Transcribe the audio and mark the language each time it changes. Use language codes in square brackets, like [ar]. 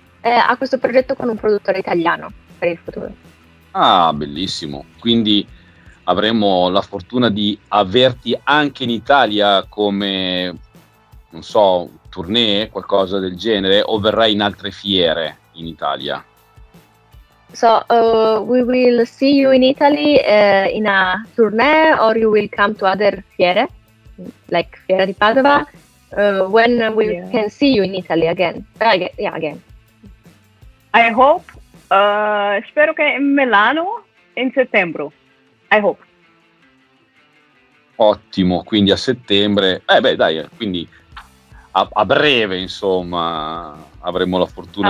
[it] Ha questo progetto con un produttore italiano per il futuro. Ah, bellissimo. Quindi avremo la fortuna di averti anche in Italia come, non so, tournée, qualcosa del genere, o verrai in altre fiere in Italia? [en] So we will see you in Italy in a tournée, or you will come to other fiere, like Fiera di Padova, when we can see you in Italy again. Again. I hope, [it] spero che in Milano in settembre, [en] I hope. [it] Ottimo, quindi a settembre, quindi a breve, insomma, avremo la fortuna